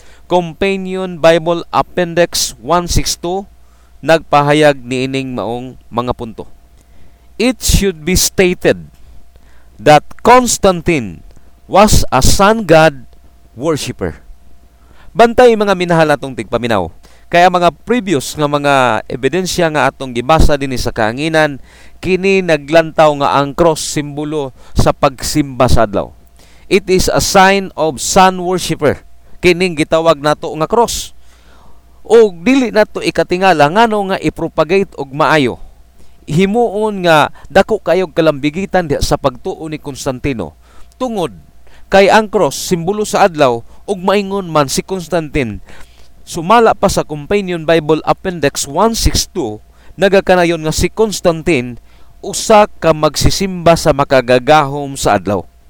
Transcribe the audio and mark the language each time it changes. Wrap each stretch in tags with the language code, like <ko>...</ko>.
<ceb>Companion Bible Appendix 162, nagpahayag niining maong mga punto.</ceb> <en>It should be stated that Constantine was a sun god worshipper.</en> <ceb>Bantay mga minahal atong tigpaminaw. Kaya mga previous nga mga ebidensya nga atong gibasa din sa kahanginan, kini naglantaw nga ang cross simbolo sa pagsimba sa adlaw.</ceb> <en>It is a sign of sun worshipper.</en> <ceb>Kining gitawag nato nga cross. O dili nato ikatingala ngano nga ipropagate og maayo. Himuon nga dako kayog kalambigitan diha sa pagtuo ni Constantino tungod kay ang cross simbolo sa adlaw ug maingon man si Constantine sumala pa sa Companion Bible Appendix 162 nagakanayon nga si Constantine usa ka magsisimba sa makagagahom sa adlaw.</ceb>